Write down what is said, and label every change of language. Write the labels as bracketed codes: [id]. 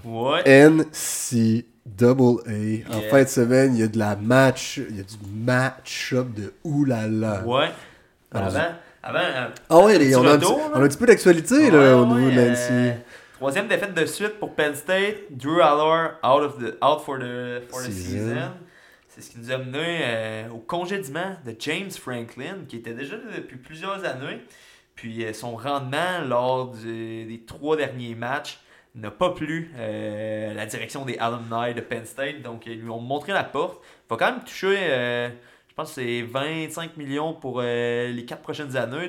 [en] What? NCAA. Yeah. [fr] En fin de semaine, il y a de la match. Il y a du match-up de oulala. Ouais. Avant. Ah ouais, on a un petit peu d'actualité ouais, là, ouais, au niveau de NCAA. Troisième défaite de suite pour Penn State. [en] Drew Allar out for the season. [fr] C'est ce qui nous a mené au congédiement de James Franklin, qui était déjà là depuis plusieurs années. Puis son rendement lors des trois derniers matchs n'a pas plu la direction des alumni de Penn State. Donc, ils lui ont montré la porte. Il va quand même toucher, je pense que c'est 25 millions pour les quatre prochaines années.